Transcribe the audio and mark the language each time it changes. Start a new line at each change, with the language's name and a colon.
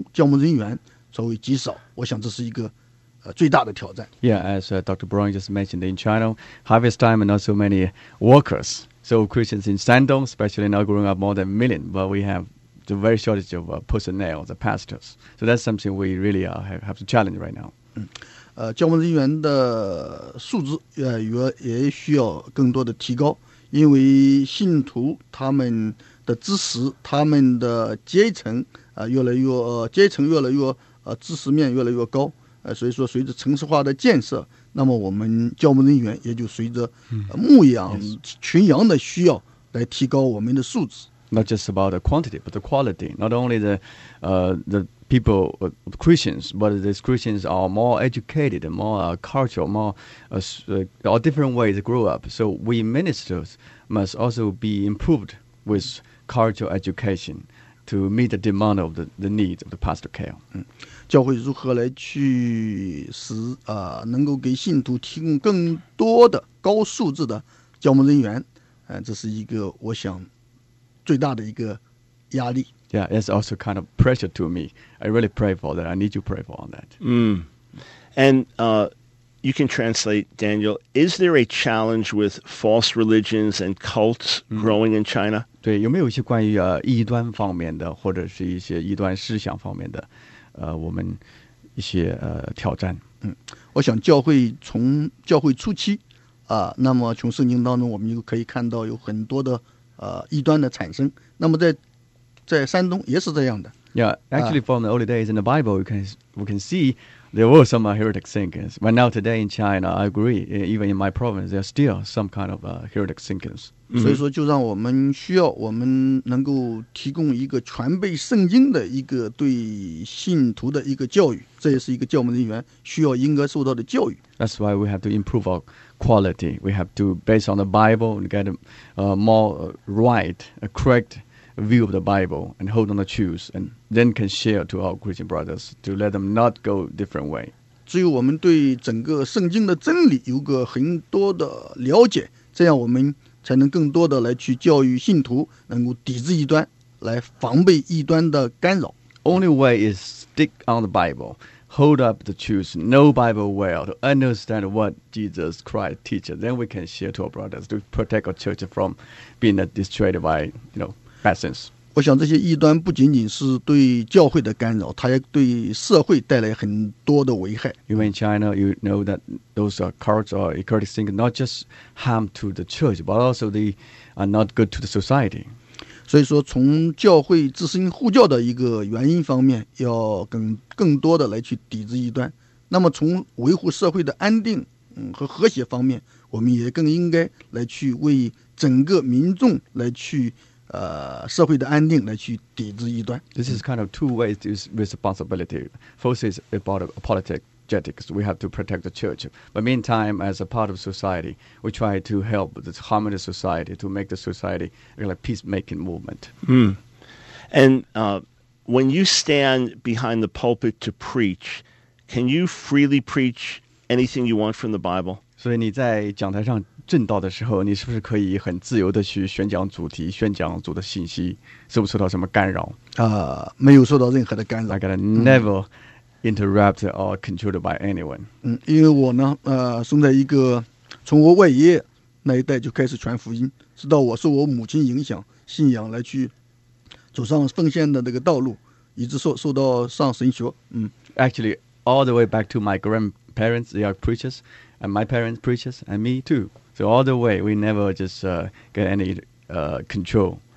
Chinese: 关于我们在服事上，我想有很多的挑战。更重要的挑战就是，山东教会的这样信徒逐渐的增长，那么我们教会的同工、教牧人员稍微极少，我想这是一个。最大的挑战.
English: Yeah, as Dr. Brown just mentioned, in China, harvest time and not so many workers. So Christians in Shandong, especially now growing up more than a million, but we have the very shortage of personnel, the pastors. So that's something we really have to challenge right now.
Chinese: 教牧人员的素质也需要更多的提高，因为信徒他们的知识，他们的阶层越来越阶层越来越知识面越来越高，所以说随着城市化的建设，那么我们教牧人员也就随着牧养群羊的需要来提高我们的素质。
English: Not just about the quantity, but the quality. Not only the people, Christians, but these Christians are more educated, more cultural, more different ways to grow up. So we ministers must also be improved with cultural education to meet the demand of the needs of the pastor care.
Chinese: 教会如何来去使能够给信徒提供更多的高素质的教牧人员，这是一个我想最大的一个压力。
English: Yeah, it's also kind of pressure to me. I really pray for that. I need you to pray for on that. And you can translate, Daniel, is there a challenge with false religions and cults growing in China?
Chinese: 对，有没有一些关于异端方面的，或者是一些异端思想方面的，我们一些挑战？我想教会从教会初期那么从圣经当中我们就可以看到有很多的异端的产生，那么在山东也是这样的。
English: Yeah, actually, from the early days in the Bible, we can see there were some heretic thinkings. But now today in China, I agree. Even in my province, there are still some kind of heretic thinkings.
Chinese: 所以说，就让我们需要我们能够提供一个全备圣经的一个对信徒的一个教育，这也是一个教牧人员需要应该受到的教育。
English: That's why we have to improve our quality. We have to base on the Bible and get more right, correct. View of the Bible and hold on the truth, and then can share to our Christian brothers to let them not go different way.
Chinese: 只有我们对整个圣经的真理有个很多的了解，这样我们才能更多的来去教育信徒，能够抵制异端，来防备异端的干扰。
English: Only way is stick on the Bible, hold up the truth, know Bible well, to understand what Jesus Christ teaches. Then we can share to our brothers to protect our church from being destroyed by, you know.
Chinese: 我想这些异端不仅仅是对教会的干扰，它也对社会带来很多的危害。
English: Even in China, you know that those cults or ecclesiastic things not just harm to the church, but also they are not good to the society.
Chinese: 所以说，从教会自身护教的一个原因方面，要更多的来去抵制异端。那么，从维护社会的安定和和谐方面，我们也更应该来去为整个民众来去。社会的安定来去抵制异端。
English: This is kind of two ways to use responsibility. First is about politics. We have to protect the church. But meantime, as a part of society, we try to help the harmonious society to make the society a peacemaking movement. And when you stand behind the pulpit to preach, can you freely preach anything you want from the Bible?
Chinese: 所以你在讲台上正道的时候，你是不是可以很自由的去宣讲主题、宣讲主的信息，受不受到什么干扰？没有受到任何的干扰。
English: I gotta never interrupt or controlled by anyone。
Chinese: 因为我呢，生在一个从我外爷爷那一代就开始传福音，直到我受我母亲影响信仰来去走上奉献的那个道路，一直受到上神学。
English: Actually, all the way back to my grandparents, they are preachers, and my parents preachers, and me too. So all the way, we never just get any control.